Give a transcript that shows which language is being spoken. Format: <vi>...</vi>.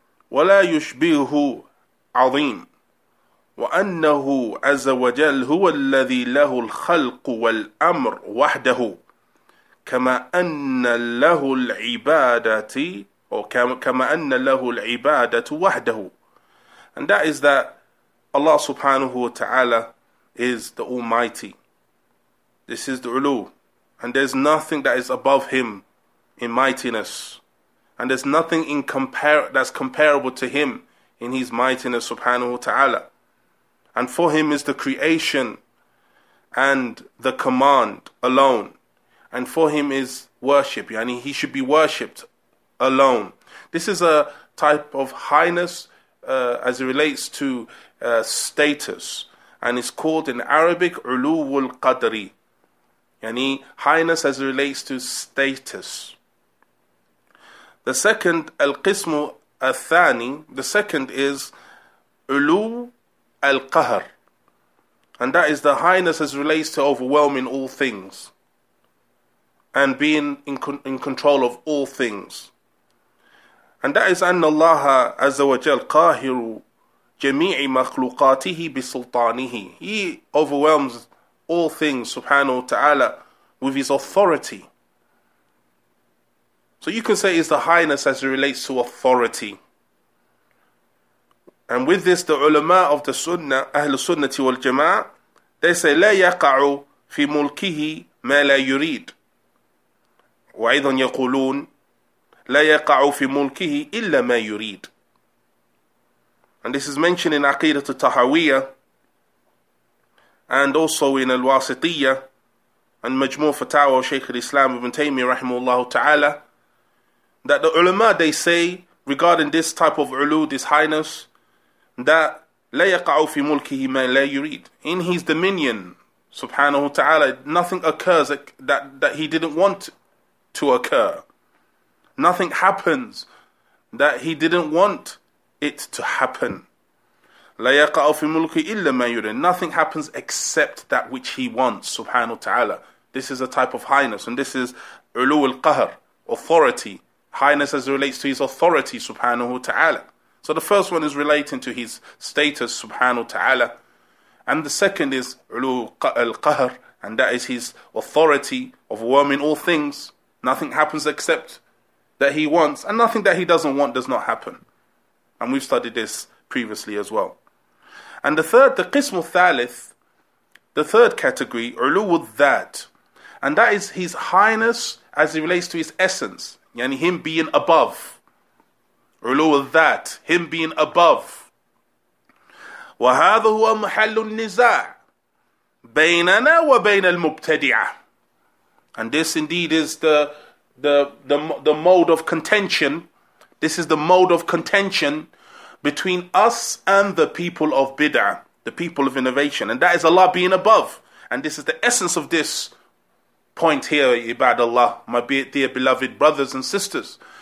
<ar>ولا يشبهه عظيم وأنه عز وجل هو الذي له الخلق والأمر وحده كما أن له العبادة أو كما أن له العبادة وحده.</ar> <en>And that is that Allah subhanahu wa ta'ala is the Almighty. This is the ulu. And there's nothing that is above him in mightiness. And there's nothing in that's comparable to him in his mightiness subhanahu wa ta'ala. And for him is the creation and the command alone. And for him is worship. Yani he should be worshipped alone. This is a type of highness as it relates to status. And it's called in Arabic, Uluwul Qadri. Yani highness as it relates to status. The second, Al-Qismu Al-Thani. The second is Ulu Al-Qahr. And that is the highness as it relates to overwhelming all things. And being in control of all things. And that is</en> <ar>أن الله عز وجل قاهر جميع مخلوقاته بسلطانه.</ar> <en>He overwhelms all things, subhanahu wa ta'ala, with his authority. So you can say it's the highness as it relates to authority. And with this, the ulama of the sunnah,</en> <ar>أهل السنة والجماعة,</ar> <en>they say,</en> <ar>لا يقع في ملكه ما لا يريد. وأيضا يقولون لا يقع في ملكه إلا ما يريد.</ar> <en>And this is mentioned in عقيدة التحاوية and also in الواسطية and مجموع فتاوى شيخ الإسلام ابن تيمية</en> <ar>رحمه الله تعالى,</ar> <en>that the ulama, they say regarding this type of ulu, this highness, that</en> <ar>لا يقع في ملكه ما لا يريد.</ar> <en>In his dominion,</en> <ar>سبحانه وتعالى,</ar> <en>nothing occurs that he didn't want to occur. Nothing happens that he didn't want it to happen.</en> <ar>لا يقع في ملكه إلا ما يريد.</ar> <en>Nothing happens except that which he wants,</en> <ar>سبحانه وتعالى.</ar> <en>This is a type of highness, and this is علو القهر, authority. Highness as it relates to his authority, subhanahu wa ta'ala. So the first one is relating to his status, subhanahu wa ta'ala. And the second is ulu al-qahr, and that is his authority, overwhelming all things. Nothing happens except that he wants, and nothing that he doesn't want does not happen. And we've studied this previously as well. And the third, the qismu thalith, the third category, ulu al-dhat, and that is his highness as it relates to his essence. Yani him being above. علو الذات, him being above.</en> <ar>وهذا هو محل النزاع بيننا وبين المبتدعة.</ar> <en>And this indeed is the mode of contention. This is the mode of contention between us and the people of bid'ah, the people of innovation. And that is Allah being above. And this is the essence of this point here, ibadallah, my dear beloved brothers and sisters.</en>